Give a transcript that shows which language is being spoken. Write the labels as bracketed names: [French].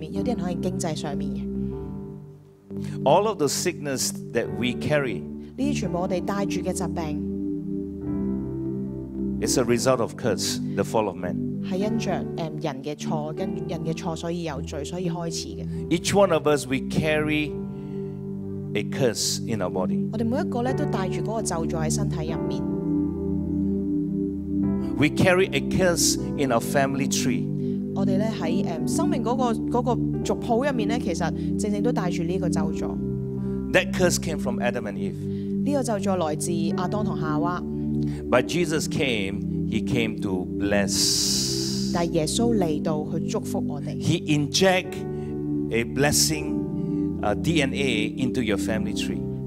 [Chinese] 有些人可能是关于身体上面的疾病，有些人是关于关系上面，有些人可能经济上面的。 [English] All of the sickness that we carry, [Chinese] 这些全部我们带着的疾病, [English] it's a result of curse, the fall of man. [Chinese] 是因着人的错，跟人的错，所以有罪，所以开始的。 [English] Each one of us, we carry a curse in our body. [Chinese] 我们每一个都带着那个咒在身体里面。 [English] We carry a curse in our family tree. [Chinese] 我们在生命的族谱里面，其实正正都带着这个咒诅。 [English] That curse came from Adam and Eve. [Chinese] 这个咒诅来自亚当和夏娃。 [English] But Jesus came, he came to bless. [Chinese] 但耶稣来到去祝福我们。 [English] He inject a blessing DNA into your family tree.